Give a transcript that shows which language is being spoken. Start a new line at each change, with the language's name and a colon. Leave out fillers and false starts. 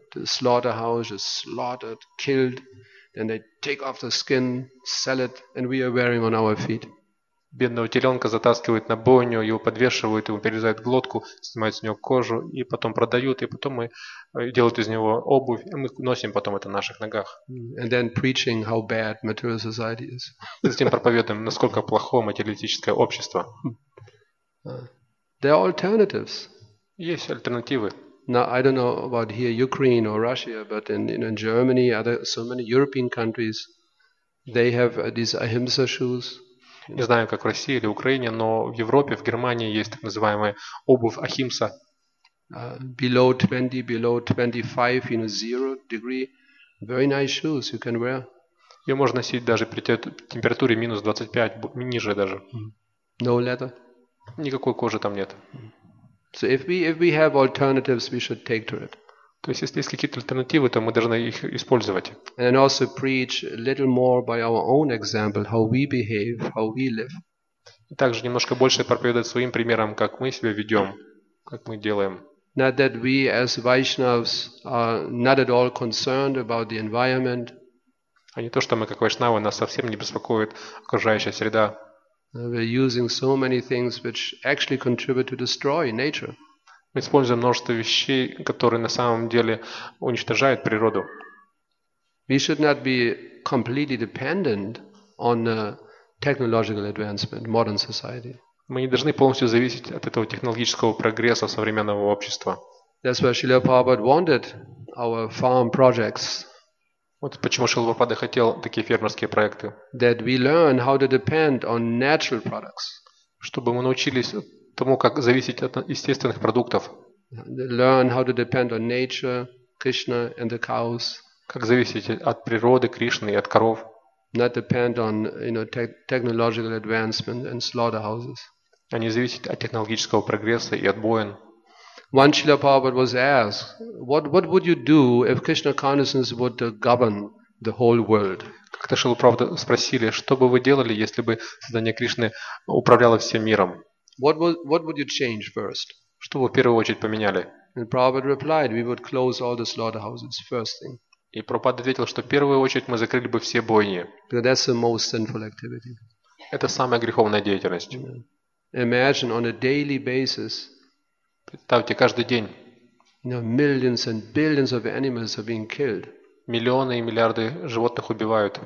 English: The slaughterhouse is slaughtered, killed, then they take off the skin, sell it, and we are wearing on our feet.
Russian: Бедного теленка затаскивают на бойню, его подвешивают, ему перерезают глотку, снимают с него кожу и потом продают, и потом мы делают из него обувь, и мы носим потом это на наших ногах.
English: And then preaching how bad material society is.
Russian: И затем проповедуем, насколько плохо материалистическое общество.
English: There are alternatives.
Russian: Есть альтернативы.
English: Now, I don't know about here Ukraine or Russia, but in Germany, other so many European countries, they have these ahimsa shoes.
Russian: Не знаю, как в России или Украине, но в Европе, в Германии есть так называемая обувь ахимса.
English: Below 20, below 25, you know, 0 degree. Very nice shoes you can wear.
Russian: Ее можно носить даже при температуре -25, ниже даже.
English: No leather.
Russian: Никакой кожи там нет.
English: So if we have alternatives, we should take to it.
Russian: То есть, если есть какие-то альтернативы, то мы должны их использовать.
English: And then also preach a little more by our own example, how we behave, how we live.
Russian: И также немножко больше проповедовать своим примером, как мы себя ведем, как мы делаем.
English: Not that we as Vaishnavas are not at all concerned about the environment.
Russian: А не то, что мы как вайшнавы, нас совсем не беспокоит окружающая среда.
English: We're using so many things which actually contribute to destroy nature.
Russian: Мы используем множество вещей, которые на самом деле уничтожают природу.
English: We should not be completely dependent on technological advancement, modern society.
Russian: Мы не должны полностью зависеть от этого технологического прогресса современного общества.
English: That's why Srila Prabhupada wanted our farm projects.
Russian: Вот почему Шрила Прабхупада хотел такие фермерские проекты.
English: That we learn how to depend on natural products.
Russian: Чтобы мы научились тому, как зависеть от естественных продуктов.
English: Learn how to depend on nature, Krishna and the cows.
Russian: Как зависеть от природы, Кришны и от коров.
English: Not depend on, you know, technological advancement and slaughterhouses.
Russian: А не зависеть от технологического прогресса и от боен.
English: Once Srila Prabhupada was asked, what would you do if Krishna consciousness would govern the whole world?
Russian: Как-то Шрила Прабхупада спросили, что бы вы делали, если бы сознание Кришны управляло всем миром?
English: What would you change first?
Russian: Что бы в первую очередь поменяли?
English: And Prabhupada replied, we would close all the slaughterhouses first thing.
Russian: И Прабхупада ответил, что в первую очередь мы закрыли бы все бойни.
English: Because that's the most sinful activity.
Russian: Это самая греховная деятельность.
English: Yeah. Imagine on a daily basis.
Russian: Представьте, каждый день.
English: You know, millions and billions of animals are being killed.
Russian: Миллионы и миллиарды животных убивают.